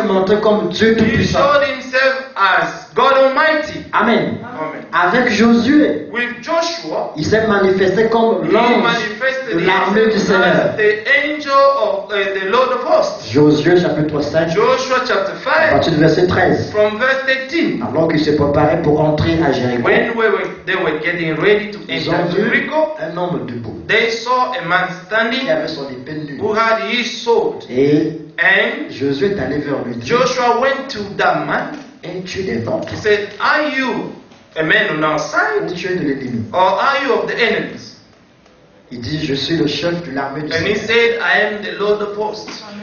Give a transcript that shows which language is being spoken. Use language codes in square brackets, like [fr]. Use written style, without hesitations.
[fr] S'est montré comme Dieu Tout-Puissant. [en] He showed himself as God Almighty. [fr] Amen. [en] Amen. [fr] Avec Josué. [en] With Joshua. [fr] Il s'est manifesté comme l'ange. [en] He manifested [fr] de l'armée du Seigneur. [en] As the angel of the Lord of hosts. [fr] Josué chapitre 5. [en] Joshua chapter 5. [fr] À partir du verset 13. [en] From verse 18. [fr] Alors qu'ils se préparaient pour entrer à Jéricho. [en] When they were getting ready to enter Jericho, [fr] un homme debout. [en] They saw a man standing. [fr] Qui avait son épée nue. [en] Who had his sword. [fr] Et [en] and [fr] Josué est allé vers lui. [en] Joshua went to that man. [fr] Es-tu des vôtres? [en] He said, are you a man on our side? [fr] Ou tu es de l'ennemi? [en] Or are you of the enemies? [fr] Il dit, je suis le chef de l'armée du Seigneur. [en] And he said, I am the Lord of hosts.